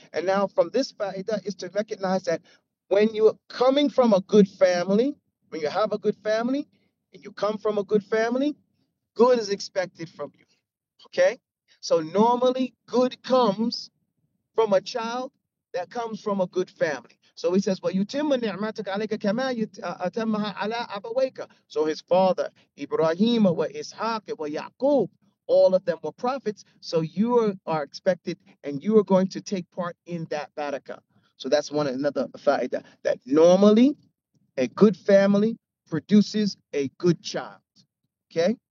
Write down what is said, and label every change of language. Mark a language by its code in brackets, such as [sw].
[en] And now from this faida is to recognize that when you're coming from a good family, when you have a good family, and you come from a good family, good is expected from you. Okay? So normally, good comes from a child that comes from a good family. So he says, [ar] وَيُتِمَّ نِعْمَتَكَ عَلَيْكَ كَمَا يُتَمَّهَا عَلَىٰ أَبَوَيْكَ. [en] So his father, إِبْرَاهِيمَ وَإِسْحَاقَ وَيَعْقُوبَ, all of them were prophets, so you are expected, and you are going to take part in that barakah. So that's one another fa'ida, that normally a good family produces a good child. Okay?